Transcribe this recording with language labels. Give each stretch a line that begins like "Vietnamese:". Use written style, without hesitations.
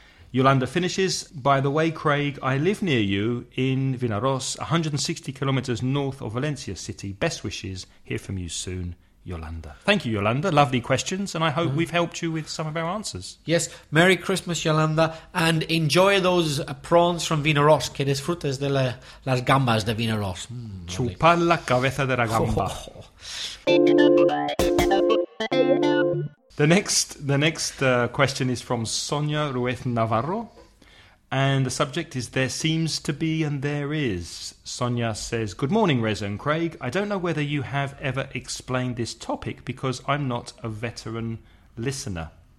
English: Yolanda finishes, by the way, Craig, I live near you in Vinaros, 160 kilometers north of Valencia City. Best wishes, hear from you soon. Yolanda. Thank you, Yolanda. Lovely questions, and I hope we've helped you with some of our answers. Yes. Merry Christmas, Yolanda, and enjoy those prawns from Vinaros.
Spanish: Que disfrutes de las gambas de Vinaros. Chupar la cabeza de la gamba. Oh, oh, oh.
English: The next question is from Sonia Ruiz Navarro, and the subject is There Seems to Be and There Is. Sonia says, good morning, Reza and Craig. I don't know whether you have ever explained this topic because I'm not a veteran listener.